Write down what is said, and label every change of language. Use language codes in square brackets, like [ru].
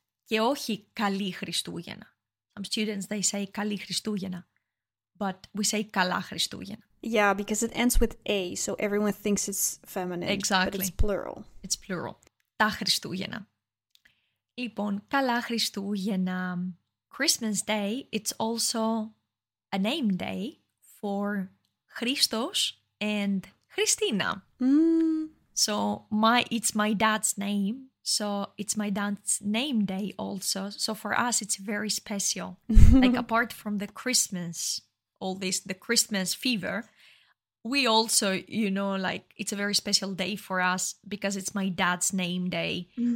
[el] Και όχι καλή Χριστούγεννα. [en] Some students, they say [el] καλή Χριστούγεννα. [en] But we say [el] καλά Χριστούγεννα. [en] Yeah, because it ends with A, so everyone thinks it's feminine. Exactly. But it's plural. It's plural. [el] Τα Χριστούγεννα. Λοιπόν, καλά Χριστούγεννα. [en] Christmas Day, it's also a name day for Christos and Christina. So it's my dad's name. So it's my dad's name day also. So for us, it's very special. Like apart from the Christmas, all this, the Christmas fever, we also, you know, like it's a very special day for us because it's my dad's name day.